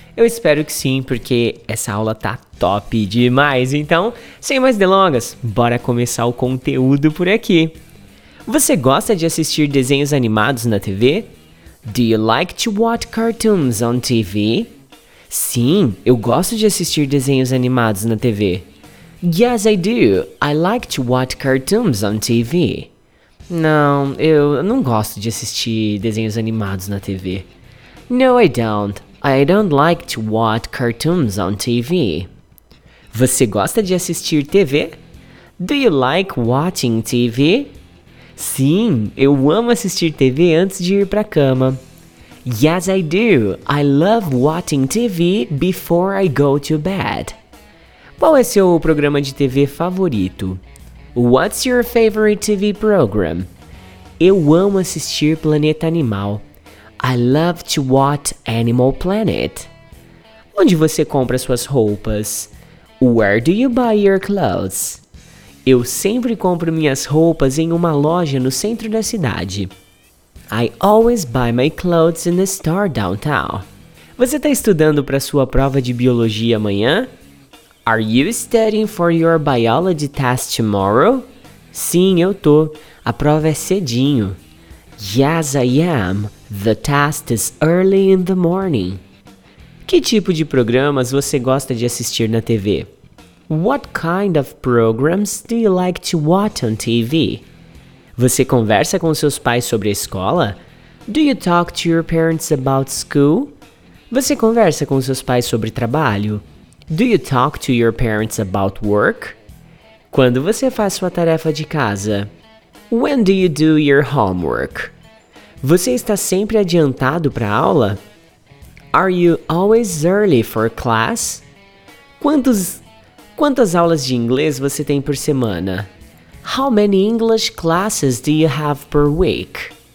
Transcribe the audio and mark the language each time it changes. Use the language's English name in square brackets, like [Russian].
[Portuguese] Eu espero que sim, porque essa aula tá top demais. Então, sem mais delongas, bora começar o conteúdo por aqui. Você gosta de assistir desenhos animados na TV? [English] Do you like to watch cartoons on TV? [Portuguese] Sim, eu gosto de assistir desenhos animados na TV. [English] Yes, I do. I like to watch cartoons on TV. [Portuguese] Não, eu não gosto de assistir desenhos animados na TV. [English] No, I don't. I don't like to watch cartoons on TV. [Portuguese] Você gosta de assistir TV? [English] Do you like watching TV? [Portuguese] Sim, eu amo assistir TV antes de ir para a cama. [English] Yes, I do. I love watching TV before I go to bed. [Portuguese] Qual é seu programa de TV favorito? [English] What's your favorite TV program? [Portuguese] Eu amo assistir Planeta Animal. [English] I love to watch Animal Planet. [Portuguese] Onde você compra suas roupas? [English] Where do you buy your clothes? [Portuguese] Eu sempre compro minhas roupas em uma loja no centro da cidade. [English] I always buy my clothes in the store downtown. [Portuguese] Você está estudando para sua prova de biologia amanhã? [English] Are you studying for your biology test tomorrow? [Portuguese] Sim, eu tô. A prova é cedinho. [English] Yes, I am. The test is early in the morning. [Portuguese] Que tipo de programas você gosta de assistir na TV? [English] What kind of programs do you like to watch on TV? [Portuguese] Você conversa com seus pais sobre a escola? [English] Do you talk to your parents about school? [Portuguese] Você conversa com seus pais sobre trabalho? [English] Do you talk to your parents about work? [Portuguese] Quando você faz sua tarefa de casa? [English] When do you do your homework? [Portuguese] Você está sempre adiantado para a aula? [English] Are you always early for class? [Portuguese] Quantas aulas de inglês você tem por semana? [English] How many English classes do you have per week?